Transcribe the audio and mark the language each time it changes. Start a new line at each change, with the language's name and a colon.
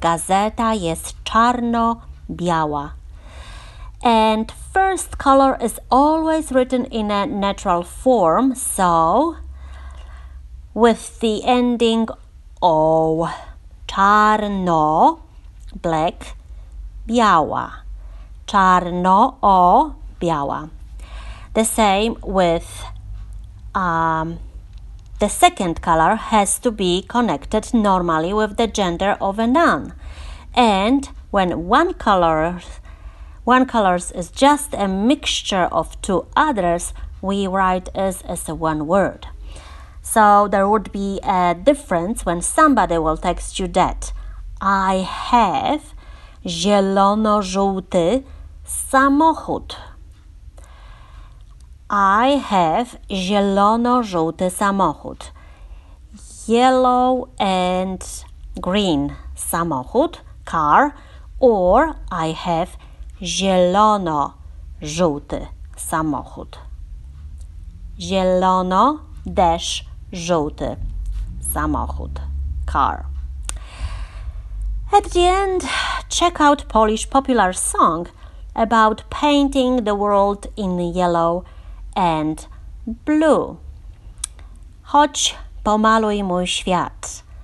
Polish: Gazeta jest czarno biała.
English: And first color is always written in a natural form, so with the ending o, czarno, black, biała.
Polish: Czarno o biała.
English: The same with the second color has to be connected normally with the gender of a noun. And when one color is just a mixture of two others, we write it as one word. So there would be a difference when somebody will text you that I have
Polish: zielono-żółty samochód.
English: I have
Polish: zielono-żółty samochód.
English: Yellow and green samochód, car. Or I have
Polish: zielono-żółty samochód. Zielono-żółty samochód, car.
English: At the end, check out Polish popular song about painting the world in yellow and blue.
Polish: Chodź, pomaluj mój świat.